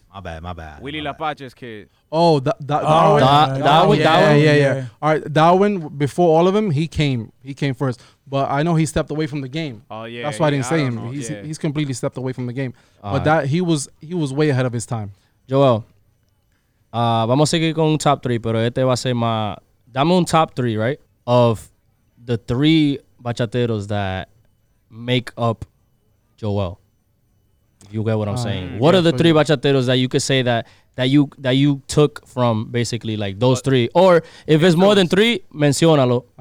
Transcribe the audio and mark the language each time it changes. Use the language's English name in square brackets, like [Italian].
[English] My bad. Willie Lapache's kid. Oh, Darwin. Yeah. All right, Darwin, before all of them, he came first. But I know he stepped away from the game. Oh, yeah. That's why I didn't say him. He's completely stepped away from the game. But that he was way ahead of his time. [Spanish] Joel, vamos a seguir con top three, pero este va a ser más... [English] I'm on top three, right? Of the three bachateros that make up Joel. If you get what I'm saying. What are the three bachateros that you could say that you took from basically like those three? Or if it's more than three, [Spanish] menciónalo.